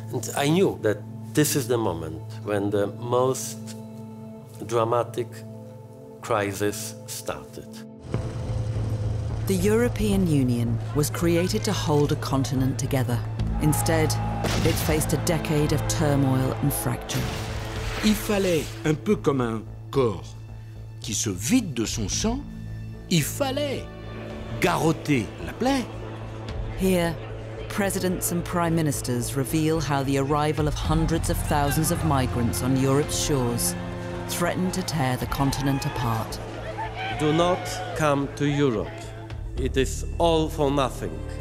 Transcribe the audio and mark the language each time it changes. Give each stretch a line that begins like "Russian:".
English: And I knew that this is the moment when the most dramatic crisis started. The European Union was created to hold a continent together. Instead, it faced a decade of turmoil and fracture.
French: Il fallait, un peu comme un corps qui se vide de son sang, il fallait garrotter la plaie.
English: Here, presidents and prime ministers reveal how the arrival of hundreds of thousands of migrants on Europe's shores threatened to tear the continent apart. Do not come to Europe. It is all for nothing.